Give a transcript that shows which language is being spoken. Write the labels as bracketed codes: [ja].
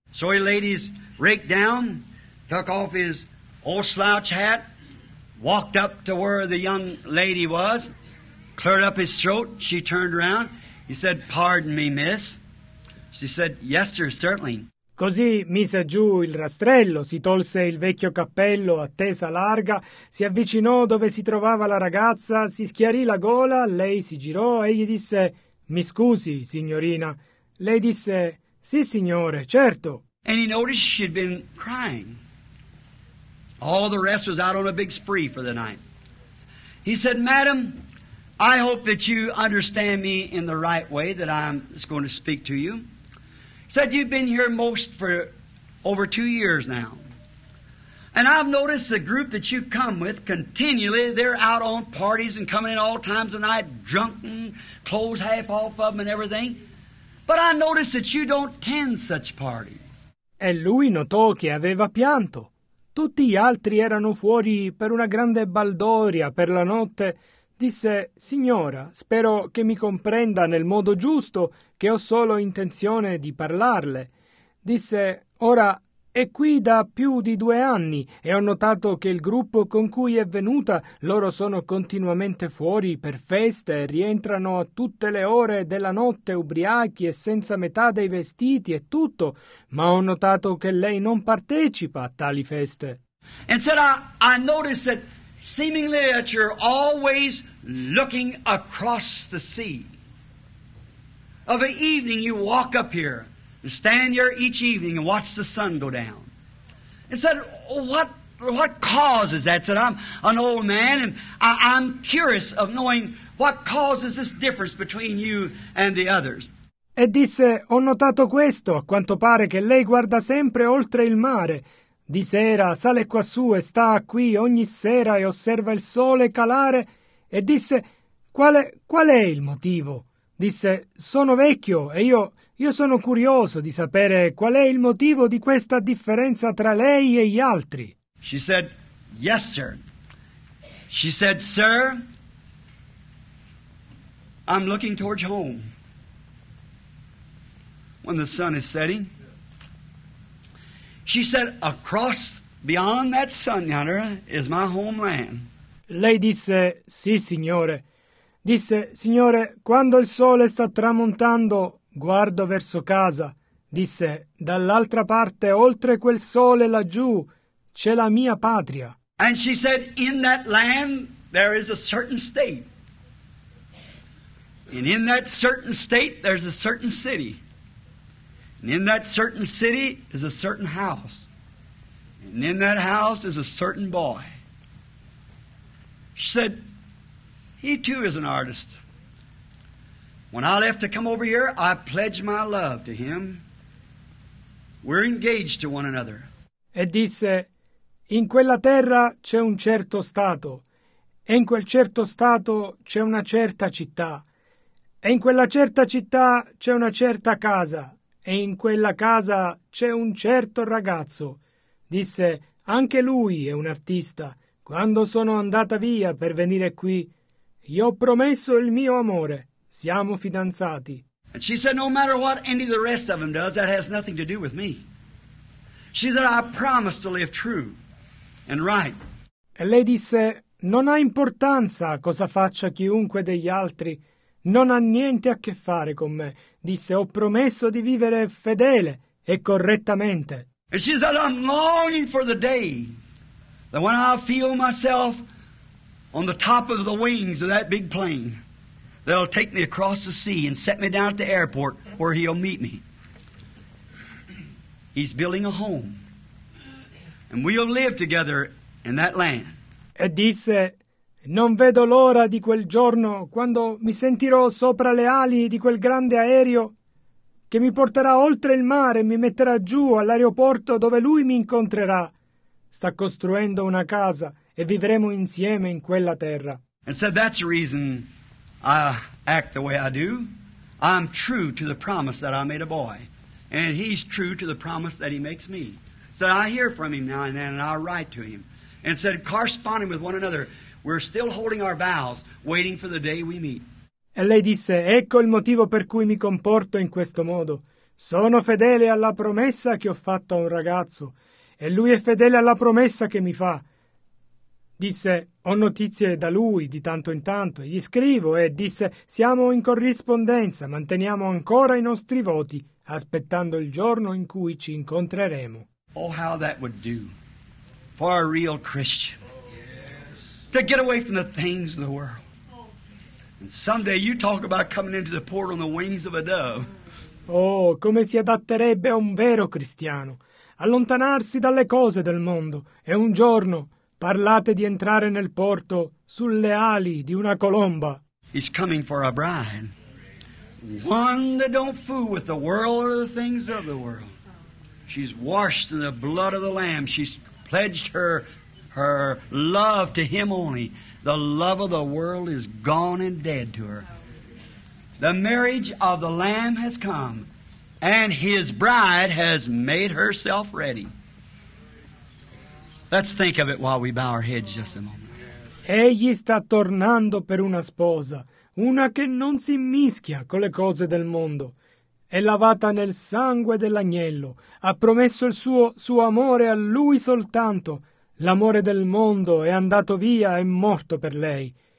[en] So he laid his rake down, took off his old slouch hat, walked up to where the young lady was, cleared up his throat, she turned around. He said, pardon me, miss. She said, yes, sir, certainly. [it] Così mise giù il rastrello, si tolse il vecchio cappello a tesa larga, si avvicinò dove si trovava la ragazza, si schiarì la gola, lei si girò e gli disse, mi scusi, signorina. Lei disse, sì, signore, certo. [en] And he noticed she'd been crying. All the rest was out on a big spree for the night. He said, madam, I hope that you understand me in the right way that I'm going to speak to you. Said you've been here most for over 2 years now. And I've noticed the group that you come with continually, they're out on parties and coming in all times of night, drunken, clothes half off of them and everything. But I noticed that you don't attend such parties. [it] E lui notò che aveva pianto. Tutti gli altri erano fuori per una grande baldoria per la notte. Disse, signora, spero che mi comprenda nel modo giusto, che ho solo intenzione di parlarle. Disse, ora, è qui da più di 2 anni e ho notato che il gruppo con cui è venuta, loro sono continuamente fuori per feste, rientrano a tutte le ore della notte ubriachi e senza metà dei vestiti e tutto, ma ho notato che lei non partecipa a tali feste. [en] And said I noticed that seemingly that you're always looking across the sea. Of an evening you walk up here. Stand here each evening and watch the sun go down. And said, what causes that? Said, I'm an old man and I'm curious of knowing what causes this difference between you and the others. [it] E disse, ho notato questo, a quanto pare che lei guarda sempre oltre il mare. Di sera sale quassù e sta qui ogni sera e osserva il sole calare. E disse, qual è il motivo? Disse, sono vecchio e io sono curioso di sapere qual è il motivo di questa differenza tra lei e gli altri. [en] She said, yes, sir. She said, sir, I'm looking towards home. When the sun is setting. She said, across, beyond that sun yonder is my homeland. [it] Lei disse, sì, signore. Disse, signore, quando il sole sta tramontando, guardo verso casa. Disse, dall'altra parte, oltre quel sole laggiù, c'è la mia patria. [en] And she said, in that land, there is a certain state. And in that certain state, there's a certain city. And in that certain city is a certain house. And in that house is a certain boy. She said, he too is an artist. When I left to come over here, I pledged my love to him. We're engaged to one another. [it] E disse, in quella terra c'è un certo stato, e in quel certo stato c'è una certa città, e in quella certa città c'è una certa casa, e in quella casa c'è un certo ragazzo. Disse, anche lui è un artista. Quando sono andata via per venire qui, gli ho promesso il mio amore. Siamo fidanzati. [en] And she said, no matter what any of the rest of them does, that has nothing to do with me. She said, I promise to live true and right. [it] E lei disse, non ha importanza cosa faccia chiunque degli altri. Non ha niente a che fare con me. Disse, ho promesso di vivere fedele e correttamente. [en] And she said, I'm longing for the day that when I feel myself on the top of the wings of that big plane, they'll take me across the sea and set me down at the airport where he'll meet me. He's building a home. And we'll live together in that land. [it] E disse, non vedo l'ora di quel giorno quando mi sentirò sopra le ali di quel grande aereo che mi porterà oltre il mare e mi metterà giù all'aeroporto dove lui mi incontrerà. Sta costruendo una casa e vivremo insieme in quella terra. [en] And so that's the reason I act the way I do. I'm true to the promise that I made a boy. And he's true to the promise that he makes me. So I hear from him now and then and I write to him. And said, corresponding with one another, we're still holding our vows, waiting for the day we meet. [it] E lei disse, ecco il motivo per cui mi comporto in questo modo. Sono fedele alla promessa che ho fatto a un ragazzo. E lui è fedele alla promessa che mi fa. Disse, ho notizie da lui di tanto in tanto. Gli scrivo e disse, siamo in corrispondenza, manteniamo ancora i nostri voti, aspettando il giorno in cui ci incontreremo. [en] Oh, how that would do for a real Christian. To get away from the things of the world. And someday you talk about coming into the port on the wings of a dove. [it] Oh, come si adatterebbe a un vero cristiano. Allontanarsi dalle cose del mondo e un giorno parlate di entrare nel porto sulle ali di una colomba. [en] He's coming for a bride. One that don't fool with the world or the things of the world. She's washed in the blood of the Lamb. She's pledged her love to him only. The love of the world is gone and dead to her. The marriage of the Lamb has come. And his bride has made herself ready. Let's think of it while we bow our heads just a moment. [it] Egli sta tornando per una sposa, una che non si mischia con le cose del mondo. è lavata nel sangue dell'agnello, ha promesso il suo amore a lui soltanto. L'amore del mondo è andato via, è morto per lei.